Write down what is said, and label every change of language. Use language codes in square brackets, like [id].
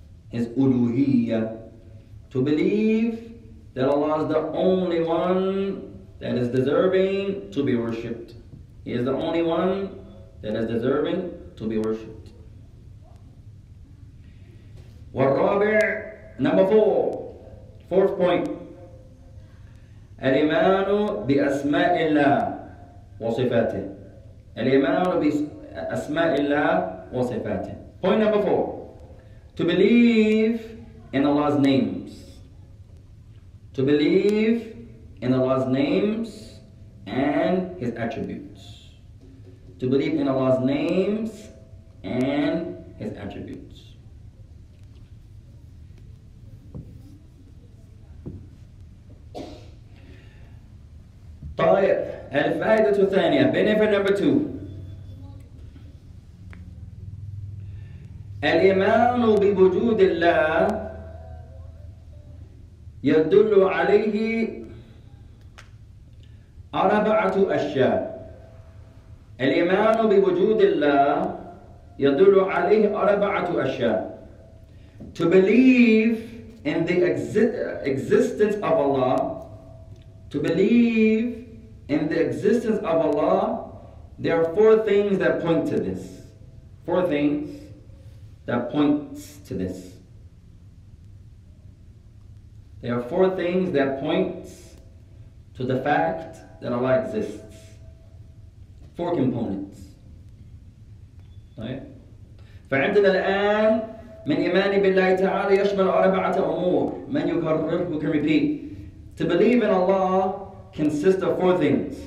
[en] His uluhiyya. To believe that Allah is the only one that is deserving to be worshipped. He is the only one that is deserving to be worshipped. والرابع, number four, fourth point. [ar] الإيمان بأسماء الله وصفاته. الإيمان بأسماء الله وصفاته. [en] Point number four. To believe in Allah's names. To believe in Allah's names and His attributes. To believe in Allah's names and His attributes. [ar] طيب الفائدة الثانية, [en] benefit number two. [ar] الإيمان بوجود الله يدل عليه أربعة أشياء. الإيمان بوجود الله يدل عليه أربعة أشياء. [en] To believe in the existence of Allah. To believe in the existence of Allah, there are four things that point to this. Four things that point to this. There are four things that point to the fact that Allah exists. Four components. [ar] فعندنا الآن من إيمان بالله تعالى يشمل أربعة أمور. من يكرر, [en] who can repeat? To believe in Allah consist of four things.